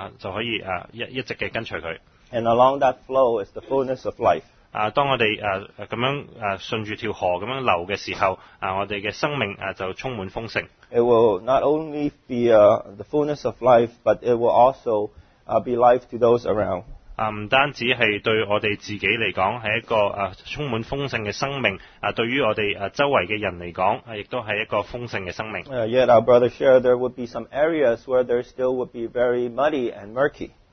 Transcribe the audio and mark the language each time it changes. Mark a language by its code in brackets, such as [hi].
[zh] 我们只需要去跟随祂，我们就能够好像顺水而流，就可以一直跟随祂。 [en] And along that flow is the fullness of life. [zh] 当我们这样顺着这条河流的时候，我们的生命就充满丰盛。 [en] It will not only be the fullness of life, but it will also be life to those around. [zh] 不单只是对我们自己来讲是一个充满丰盛的生命，对于我们周围的人来讲，亦都是一个丰盛的生命。 [en] Yet our brother shared there would be some areas where there still would be very muddy and murky.